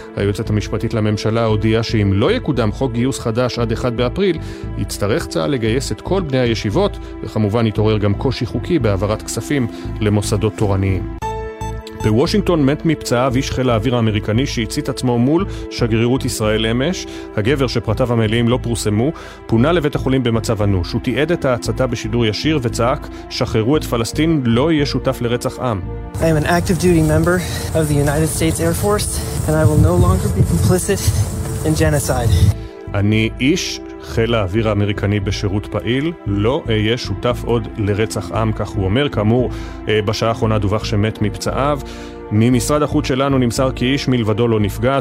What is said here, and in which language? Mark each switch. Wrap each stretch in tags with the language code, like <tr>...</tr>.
<he>היועצת המשפטית לממשלה הודיעה שאם לא יקודם חוק גיוס חדש עד 1 באפריל יצטרך צה"ל לגייס את כל בני הישיבות וכמובן יתעורר גם קושי חוקי בהעברת כספים למוסדות תורניים. בוושינגטון מת מפצעיו איש חיל האוויר האמריקני שהצית עצמו מול שגרירות ישראל אמש. הגבר שפרטיו המלאים לא פורסמו, פונה לבית החולים במצב אנוש. הוא תיעד את ההצתה בשידור ישיר וצעק, שחררו את פלסטין, לא יהיה שותף לרצח עם.</he> <en>I am an active duty member of the United States Air Force and I will no longer be complicit in genocide.</en> <he>אני איש חיל האוויר האמריקני בשירות פעיל, לא אהיה שותף עוד לרצח עם, כך הוא אומר. כאמור, בשעה האחרונה דווח שמת מפצעיו. ממשרד החוץ שלנו נמסר כי איש מלבדו לא נפגע.</he>